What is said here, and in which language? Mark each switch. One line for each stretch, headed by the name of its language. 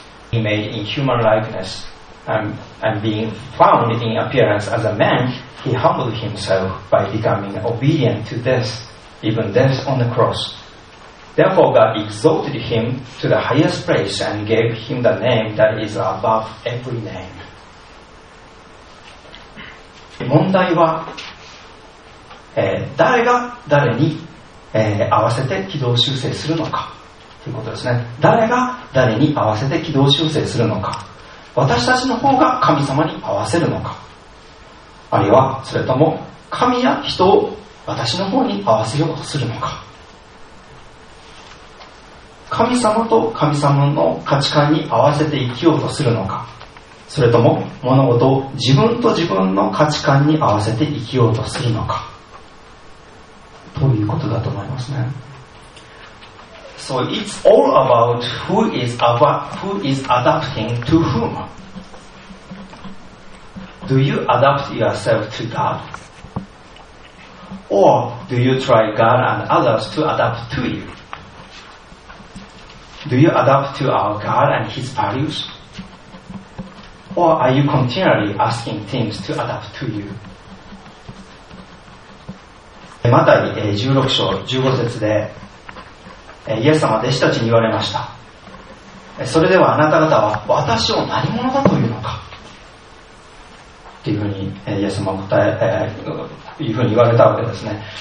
English: He made in human likeness, and being found in appearance as a man, he humbled himself by becoming obedient to death, even death on the cross. Therefore, God exalted him to the highest place and gave him the name that is above every name.
Japanese: 問題は、誰が誰に、合わせて軌道修正するのかということですね。誰が誰に合わせて軌道修正するのか。私たちの方が神様に合わせるのか。あるいは、それとも神や人を私の方に合わせようとするのか。神様と神様の価値観に合わせて生きようとするのか、それとも物事を自分と自分の価値観に合わせて生きようとするのか、ということだと思いますね。
English: So it's all about who is adapting to whom. Do you adapt yourself to God? Or do you try God and others to adapt to you? Do you adapt to our God and His values? Or are you continually asking things to adapt to you?
Japanese: マタイ16章15節でイエス様は弟子たちに言われました。それではあなた方は私を何者だというのかというふうにイエス様は答えというふうに言われたわけですね。